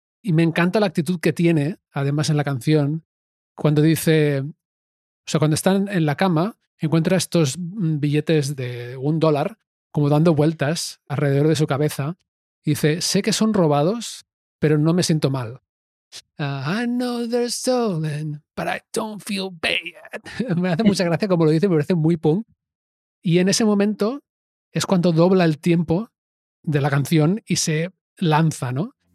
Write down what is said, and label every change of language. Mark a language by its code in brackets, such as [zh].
[es] Y me encanta la actitud que tiene, además, en la canción, cuando dice... O sea, cuando están en la cama, encuentra estos billetes de $1 como dando vueltas alrededor de su cabeza. Y dice, sé que son robados, pero no me siento mal. [en] I know they're stolen, but I don't feel bad. [es] Me hace mucha gracia como lo dice, me parece muy punk. Y en ese momento es cuando dobla el tiempo de la canción y se lanza, ¿no?